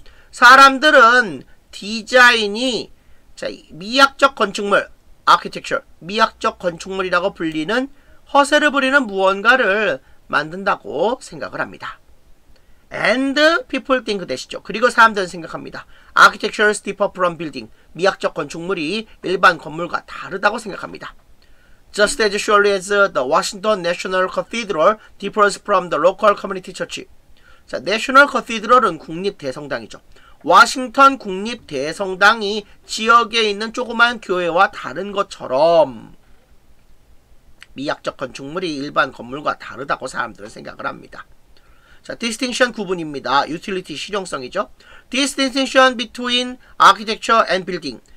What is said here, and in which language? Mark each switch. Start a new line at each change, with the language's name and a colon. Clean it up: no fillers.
Korean: 사람들은 디자인이 자, 미학적 건축물, architecture, 미학적 건축물이라고 불리는 허세를 부리는 무언가를 만든다고 생각을 합니다.
English: And people think 되시죠.
Korean: 그리고 사람들은 생각합니다.
English: Architecture is different from building.
Korean: 미학적 건축물이 일반 건물과 다르다고 생각합니다.
English: Just as surely as the Washington National Cathedral differs from the local community church.
Korean: 자, National Cathedral은 국립대성당이죠. Washington 국립대성당이 지역에 있는 조그만 교회와 다른 것처럼 미학적 건축물이 일반 건물과 다르다고 사람들은 생각을 합니다.
English: 자, distinction
Korean: 구분입니다.
English: Utility
Korean: 실용성이죠.
English: Distinction between architecture and building.